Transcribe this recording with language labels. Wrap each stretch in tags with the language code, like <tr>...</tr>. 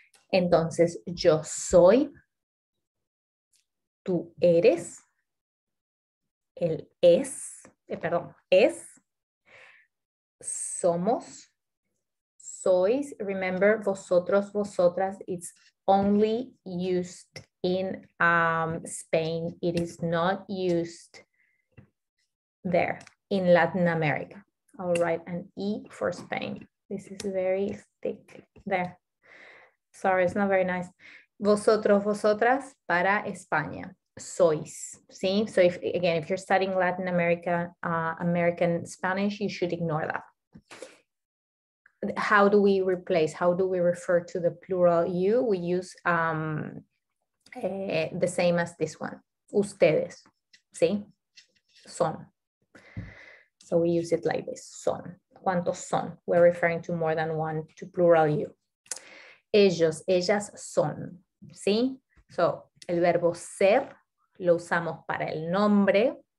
<es>Entonces, yo soy, tú eres, él es, perdón, es, somos, sois.</es> <en>Remember, vosotros, vosotras, it's only used in Spain. It is not used there in Latin America. I'll write an E for Spain. This is very thick there. Sorry, it's not very nice.</en> <es>Vosotros, vosotras, para España. Sois, see?</es> <en>So if, again, if you're studying Latin America, American Spanish, you should ignore that. How do we replace? How do we refer to the plural you? We use the same as this one. Ustedes, see? Son. So we use it like this, son.</en> <es>¿Cuántos son?</es> <en>We're referring to more than one, to plural you.</en> <es>Ellos, ellas son, see? So el verbo ser, lo usamos para el nombre.</es>